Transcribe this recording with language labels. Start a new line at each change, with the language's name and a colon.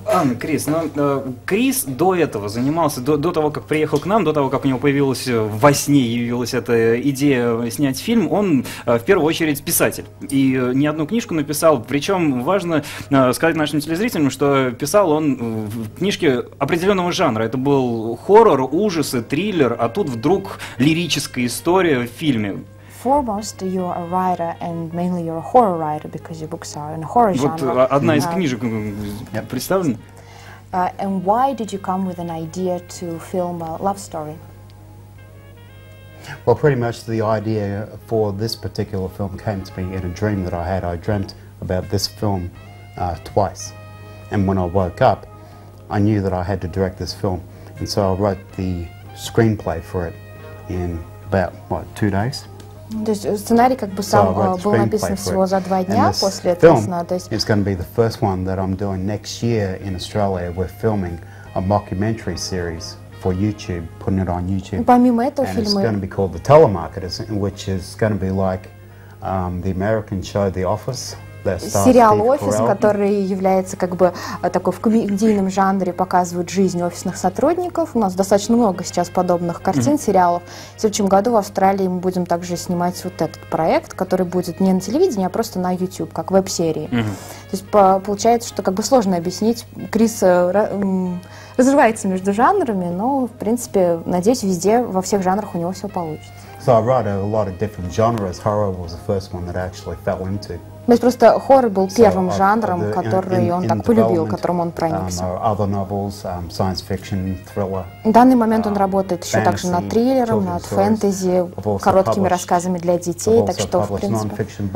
Russian: Анна, Крис, ну, Крис до этого занимался, до того, как приехал к нам, до того, как у него появилась во сне, явилась эта идея снять фильм, он в первую очередь писатель. И не одну книжку написал, причем важно сказать нашим телезрителям, что писал он в книжке определенного жанра. Это был хоррор, ужасы, триллер, а тут вдруг лирическая история в фильме.
English: Foremost, you are a writer, and mainly you're a horror writer because your books are in a horror genre.
Russian: Вот одна из книжек представлена.
English: And why did you come with an idea to film a love story? Well, pretty much the idea for this particular film came to me in a dream that I had. I dreamt about this film twice, and when I woke up, I knew that I had to direct this film, and so I wrote the screenplay for it in about what 2 days.
Russian: То есть сценарий как бы сам был написан всего за два дня после этого сна.
English: It's going to be the first one that I'm doing next year in Australia. We're filming a mockumentary series for YouTube, putting it on YouTube.
Russian: Помимо этого фильма.
English: It's going to be called The Telemarketers, which is going to be like the American show The Office.
Russian: Сериал «Офис», который является как бы такой в комедийном жанре, показывает жизнь офисных сотрудников. У нас достаточно много сейчас подобных картин, сериалов. В следующем году в Австралии мы будем также снимать вот этот проект, который будет не на телевидении, а просто на YouTube, как веб-серии. То есть получается, что как бы сложно объяснить. Крис разрывается между жанрами, но, в принципе, надеюсь, везде, во всех жанрах у него все получится.
English: So I write a lot of different genres. Horror was the first one that I actually fell into.
Russian: То есть просто хоррор был первым жанром, который он так полюбил, которым он проникся.
English: Other novels, science fiction, thriller,
Russian: в данный момент он работает еще также над триллером, над фэнтези, короткими рассказами для детей, так что, в принципе,